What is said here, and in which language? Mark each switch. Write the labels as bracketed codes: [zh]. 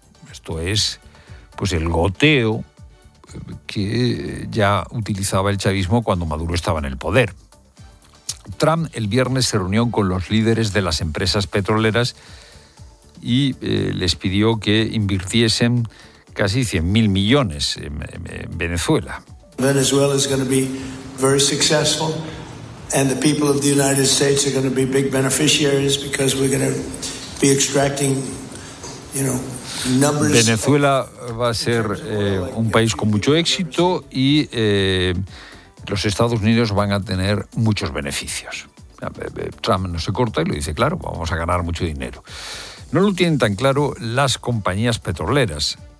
[es] Esto es pues el goteo que ya utilizaba el chavismo cuando Maduro estaba en el poder. Trump el viernes se reunió con los líderes de las empresas petroleras y les pidió que invirtiesen casi 100.000 millones en Venezuela. [en] Venezuela is going to be very successful and the people of the United States are going to be big beneficiaries because we're going to be extracting, you know, numbers. [es] Venezuela va a ser un país con mucho éxito y los Estados Unidos van a tener muchos beneficios. Trump no se corta y lo dice claro, vamos a ganar mucho dinero. No lo tienen tan claro las compañías petroleras.